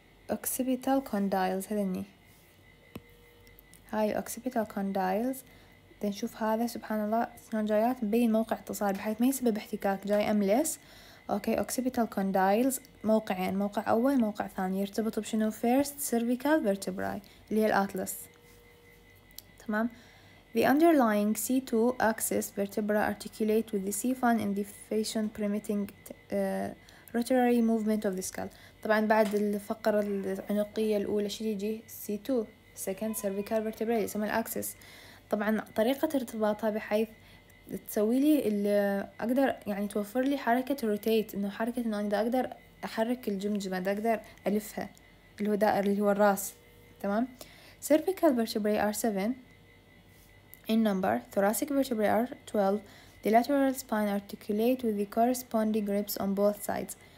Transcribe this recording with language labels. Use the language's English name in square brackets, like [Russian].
[Arabic] occipital condyles هذني هاي occipital condyles. نشوف هذا سبحان الله سنون جايات مبين موقع اتصال بحيث ما يسبب احتكاك جاي أملس. اوكي occipital condyles موقعين, موقع اول موقع ثاني يرتبط بشنو؟ first cervical vertebrae اللي هي الاطلس. [English] تمام the underlying C2 axis vertebra articulate with the C1 in the fashion permitting rotary movement of the skull. [Arabic] طبعا بعد الفقرة العنقية الاولى شو يجي؟ C2 second cervical vertebrae اللي اسمها الاكسس. طبعا طريقة ارتباطها بحيث تسوي لي اقدر يعني توفر لي حركة روتيت انه حركة انه انا دا اقدر احرك الجمجمة دا اقدر الفها اللي هو دائر اللي هو الراس. [English] تمام cervical vertebrae are 7 in number, thoracic vertebrae are 12, the lateral spine articulate with the corresponding ribs on both sides.